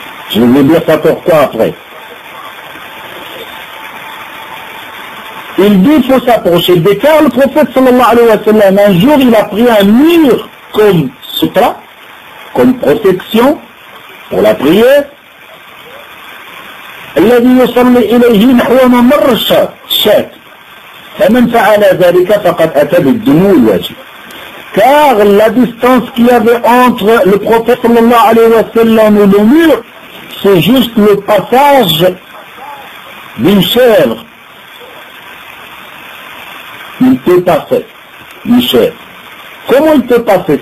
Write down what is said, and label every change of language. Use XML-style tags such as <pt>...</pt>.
<fr>Je vais dire ça pourquoi après. Il dit qu'il faut s'approcher des cartes. Le prophète sallallahu alayhi wa sallam, un jour il a pris un mur comme sutra, comme protection pour la prière.</fr> <ar>الذي يصلي إليه نحو ممر الشاة فمن فعل ذلك فقد أتى بالدنو الواجب.</ar> <fr>Car la distance qu'il y avait entre le prophète sallallahu alayhi wa sallam et le mur, c'est juste le passage d'une chèvre. Il peut passer, Michel. Comment il peut passer?</fr>